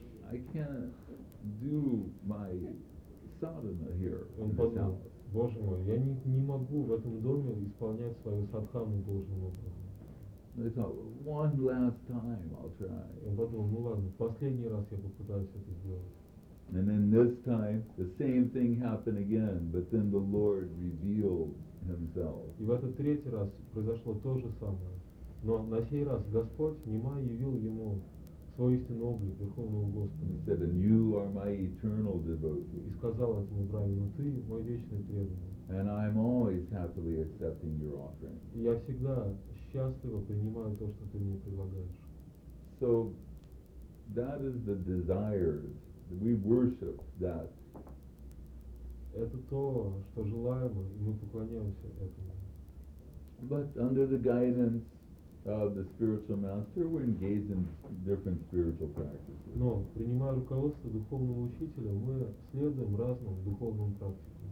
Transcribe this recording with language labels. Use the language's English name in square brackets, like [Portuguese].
[English] I can't do my sadhana here. [Russian] Он подумал, Боже мой, я не могу в этом доме исполнять свою садхану должным образом. [English] I thought, one last time I'll try. [Russian] Он подумал, ну ладно, последний раз я попытаюсь это сделать. [English] And then this time the same thing happened again, but then the Lord revealed himself. [Russian] И в этот третий раз произошло то же самое. Но на сей раз Господь Нимай явил ему свой истинный облик Верховного Господа. [English] He said, and you are my eternal devotee. [Russian] И сказал этому брахману, ты мой вечный преданный. [English] And I'm always happily accepting your offering. [Russian] И я всегда счастливо принимаю то, что ты мне предлагаешь. [English] So that is the desires that we worship that. [Russian] Это то, что желаемо, и мы поклоняемся этому. [English] But under the guidance of the spiritual master, we engage in different spiritual practices. [Russian] Но принимая руководство духовного учителя, мы следуем разным духовным практикам.